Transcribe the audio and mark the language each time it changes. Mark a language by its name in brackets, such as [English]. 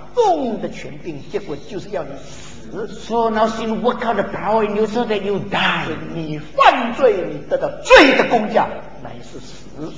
[Chinese] 动的权柄，结果就是要你死。 [English] So now sin work out the power in you so that you die. [Chinese] 你犯罪，你得到罪的工价，乃是死。